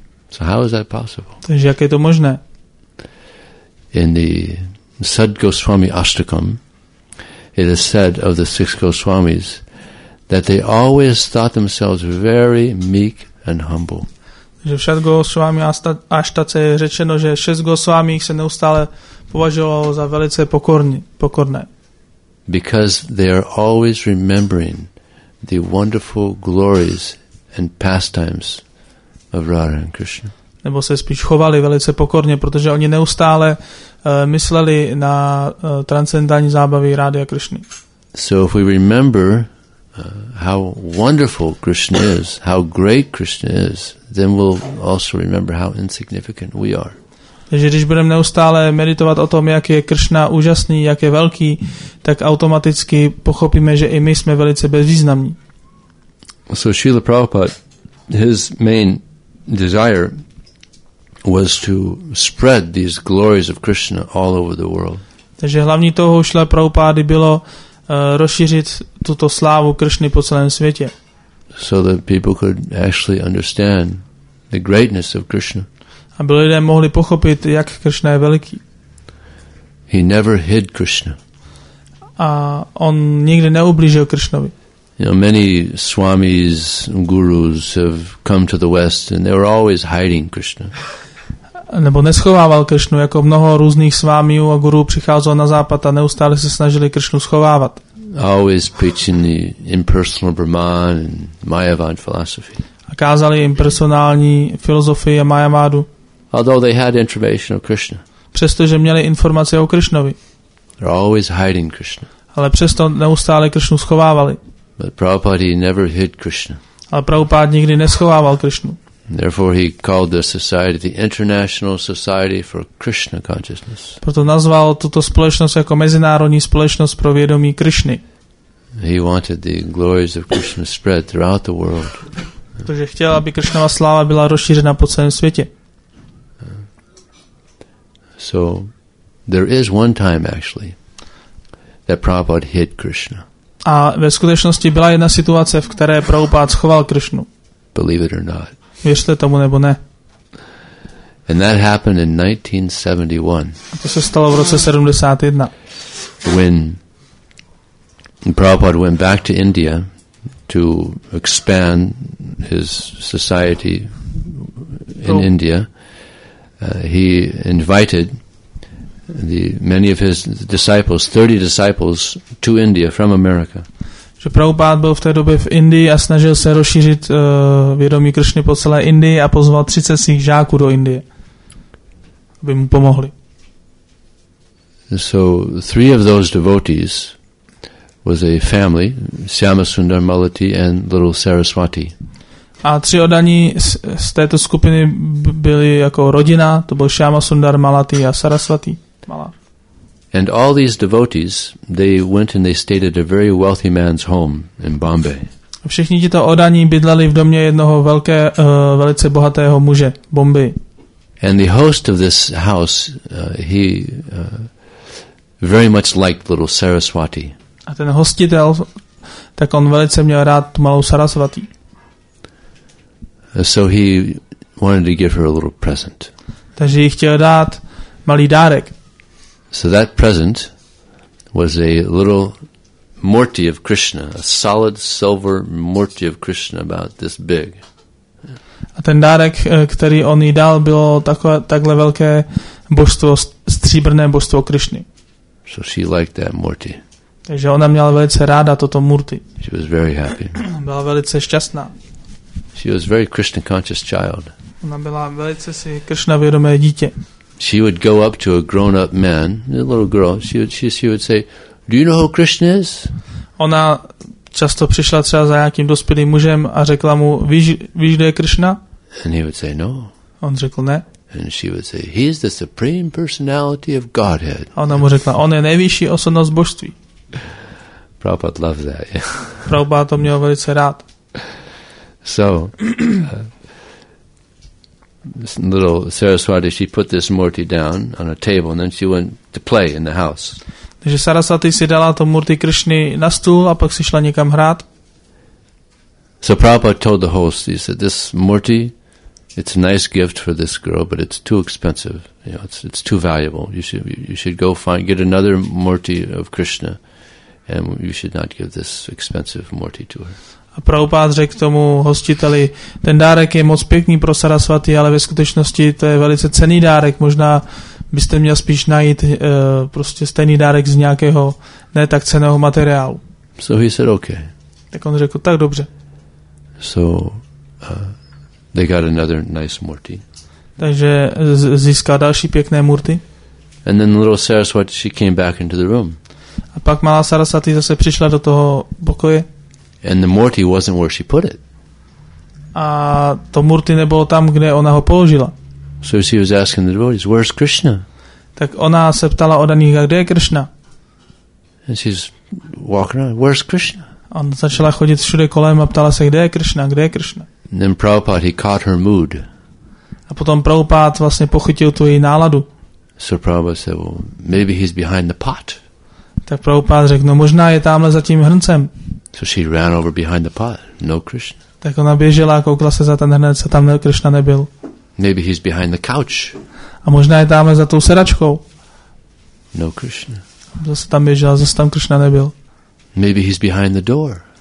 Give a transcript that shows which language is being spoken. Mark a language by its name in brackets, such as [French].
[English] So how is that possible? [Czech] Takže jak je to možné? [English] In the Sad Goswami Ashtakam, it is said of the six Goswamis that they always thought themselves very meek and humble. [Czech] Takže v Sad Goswami Ashtace je řečeno, že šest Goswami se neustále považovalo za velice pokorné. [English] Because they are always remembering the wonderful glories and pastimes of Radha and Krishna. [Czech] nebo se spíš chovali velice pokorně, protože oni neustále mysleli na transcendentální zábavy Rádia Krišny. [English] So if we remember how wonderful Krishna is, how great Krishna is, then we'll also remember how insignificant we are. [Czech] Takže když budeme neustále meditovat o tom, jak je Krishna úžasný, jak je velký, tak automaticky pochopíme, že i my jsme velice bezvýznamní. [English] So Srila Prabhupada, his main desire was to spread these glories of Krishna all over the world. [Czech] Takže hlavní touhou Srila Prabhupády bylo rozšířit tuto slávu Krishny po celém světě. [English] So that people could actually understand the greatness of Krishna. [Czech] Aby lidé mohli pochopit, jak Krishna je veliký. [English] He never hid Krishna. [Czech] A on nikdy neublížil Krishnovi. [English] You know, many swamis, gurus have come to the West and they were always hiding Krishna. [Czech] Nebo neschovával Krishnu, jako mnoho různých swamiů a gurů přicházelo na západ a neustále se snažili Krishnu schovávat. [English] Always preaching the impersonal Brahman and Mayavad philosophy. [Czech] A kázali impersonální filozofii a Mayavadu. [English] Although they had information of Krishna. [Czech] Přestože měli informace o Krishnovi. [English] They're always hiding Krishna. [Czech] Ale přesto neustále Krishnu schovávali. [English] But Prabhupada never hid Krishna. [Czech] Ale Prabhupada nikdy neschovával Krishnu. [English] Therefore he called the society the International Society for Krishna Consciousness. [Czech] Proto nazval tuto společnost jako mezinárodní společnost pro vědomí Krishny. [English] He wanted the glories of Krishna spread throughout the world. [Czech] Protože chtěl, aby Krishnova sláva byla rozšířena po celém světě. [English] So there is one time actually that Prabhupada hid Krishna. [Czech] A ve skutečnosti byla jedna situace, v které Prabhupada schoval Krishnu. [English] Believe it or not. [Czech] Věřte tomu nebo ne. [English] And that happened in 1971. [Czech] A to se stalo v roce 71. [English] When Prabhupada went back to India to expand his society in India. He invited many of his disciples, 30 disciples, to India from America. [Czech] Že Prabhupád byl v té době v Indii a snažil se rozšířit vědomí Krišny po celé Indii a pozval 30 svých žáků do Indie, aby mu pomohli. [English] So three of those devotees was a family, Syamasundar Malati and little Saraswati. [Czech] A tři odaní z této skupiny byli jako rodina, to byl Syamasundar Malati a Saraswati Mala. [English] And all these devotees, they went and they stayed at a very wealthy man's home in Bombay. [Czech] A všichni tito odaní bydleli v domě jednoho velice bohatého muže v Bombay. [English] And the host of this house, he very much liked little Saraswati. [Czech] A ten hostitel, tak on velice měl rád tu malou Saraswati. [English] So he wanted to give her a little present. [Czech] Takže jí chtěl dát malý dárek. [English] So that present was a little murti of Krishna, a solid silver murti of Krishna about this big. [Czech] A ten dárek, který on jí dal, bylo takhle velké božstvo, stříbrné božstvo Krishny. [English] So she liked that murti. [Czech] Takže ona měla velice ráda toto murti. [English] She was very happy. [Czech] Byla velice šťastná. [English] She was very Krishna conscious child. [Czech] Ona byla velice si Krishna vědomé dítě. [English] She would go up to a grown-up man, a little girl. She would say, "Do you know who Krishna is?" [Czech] Ona často přišla třeba za nějakým dospělým mužem a řekla mu, "Víš, kdo je Krishna?" [English] And he would say, "No." [Czech] On řekl ne. [English] And she would say, "He is the supreme personality of Godhead." [Czech] A ona mu řekla, "On je nejvyšší osobnost božství." [English] Prabhupada loved that. [Czech] Prabhupada to měl velice rád. [English] So this little Saraswati, she put this murti down on a table and then she went to play in the house. [Czech] Takže Saraswati si dala to murti Krishny na stůl a pak si šla někam hrát. [English] So Prabhupada told the host, he said, "This murti, it's a nice gift for this girl, but it's too expensive. You know, it's too valuable. You should go find get another murti of Krishna, and you should not give this expensive murti to her." [Czech] A Prabhupád řekl tomu hostiteli, ten dárek je moc pěkný pro Saraswati, ale ve skutečnosti to je velice cenný dárek. Možná byste měl spíš najít prostě stejný dárek z nějakého ne tak cenného materiálu. [English] So he said, okay. [Czech] Tak on řekl, tak dobře. [English] So they got another nice murti. [Czech] takže získá další pěkné murty. [English] And then little Saraswati, she came back into the room. [Czech] A pak malá Sarasvati zase přišla do toho pokoje. [English] And the murti wasn't where she put it. [Czech] A to murti nebylo tam, kde ona ho položila. [English] So she was asking the devotees, where's Krishna? [Czech] Tak ona se ptala o daných, kde je Krishna? [English] And she's walking around, where's Krishna? [Czech] On začala chodit všude kolem a ptala se, kde je Krishna, kde je Krishna? [English] And then Prabhupada, he caught her mood. [Czech] A potom Prabhupada vlastně pochytil tu její náladu. [English] So Prabhupada said, well, maybe he's behind the pot. [Czech] Tak Prabhupada řekl, no možná je tamhle za tím hrncem. [English] So she ran over behind the pot, no Krishna. [Czech] Tak ona běžela, koukla se za ten hrnec a tam Krishna nebyl. [English] Maybe he's behind the couch. [Czech] A možná je tamhle za tou sedačkou. [English] No Krishna. [Czech] Zase tam běžela, zase tam Krishna nebyl. [English] Maybe he's behind the door.